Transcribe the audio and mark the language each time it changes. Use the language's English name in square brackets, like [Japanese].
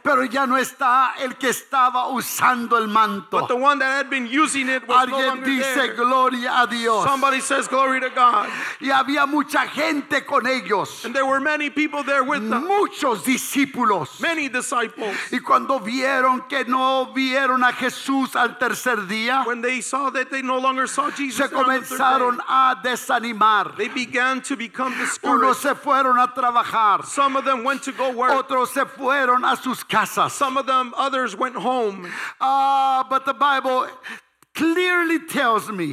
[Spanish] Pero ya no está el que estaba usando el manto. [English] But the one that had been using it was [Spanish] alguien [English] no longer [Spanish] dice, [English] there. [Spanish] Alguien dice gloria a Dios. [English] Somebody says glory to God. [Spanish] Y había mucha gente con ellos. [English] And there were many people there with them. [Spanish] Muchos discípulos. [English] Many disciples. [Spanish] Y cuando vieron que no vieron a Jesús al tercer día, [English] when they saw that they no longer saw Jesus, [Spanish] se comenzaron a desanimar. [English] They began to become discouraged. [Spanish] Unos se fueron a trabajar. [English] Some of them went to go work. [Spanish] Otros se fueron a sus casas. [English] Some of them, others went home. But the Bible clearly tells me,